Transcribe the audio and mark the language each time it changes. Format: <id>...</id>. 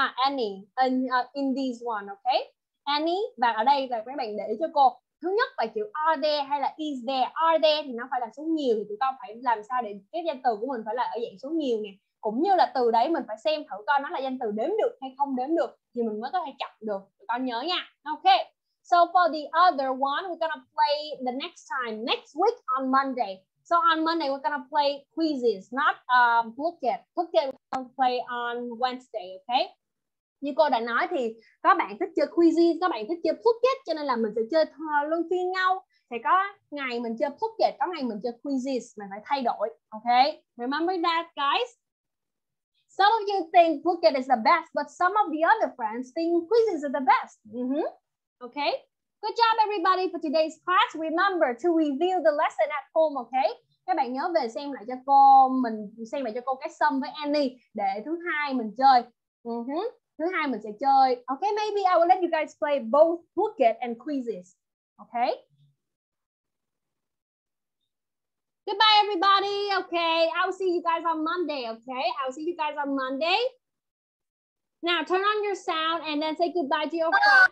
<en>Any in this one, okay?</en> <vi>Any, và ở đây là các bạn để cho cô. Thứ nhất là chữ are there hay là is there. Are there thì nó phải là số nhiều, thì tụi con phải làm sao để cái danh từ của mình phải là ở dạng số nhiều nè. Cũng như là từ đấy mình phải xem thử coi nó là danh từ đếm được hay không đếm được thì mình mới có thể chọn được. Tụi con nhớ nha. Okay.</vi> <en>So for the other one, we're gonna play the next time, next week on Monday. So on Monday, we're gonna play quizzes, not book it. Book it we're gonna play on Wednesday, okay?</en> <vi>Như cô đã nói thì các bạn thích chơi quizzes, các bạn thích chơi Phuket, cho nên là mình sẽ chơi luôn phiên nhau. Thì có ngày mình chơi Phuket, có ngày mình chơi quizzes, mình phải thay đổi.</vi> <en>Okay, remember that guys. Some of you think Phuket is the best, but some of the other friends think quizzes are the best. Mm-hmm. Okay, good job everybody for today's class. Remember to review the lesson at home, okay?</en> <vi>Các bạn nhớ về xem lại cho cô, mình xem lại cho cô cái sum với Annie để thứ hai mình chơi. Mm-hmm. Thứ hai mình sẽ chơi.</vi> <en>Okay, maybe I will let you guys play both Phuket and quizzes. Okay? Goodbye, everybody. Okay, I will see you guys on Monday. Okay, I will see you guys on Monday. Now, turn on your sound and then say goodbye to your friends.</en>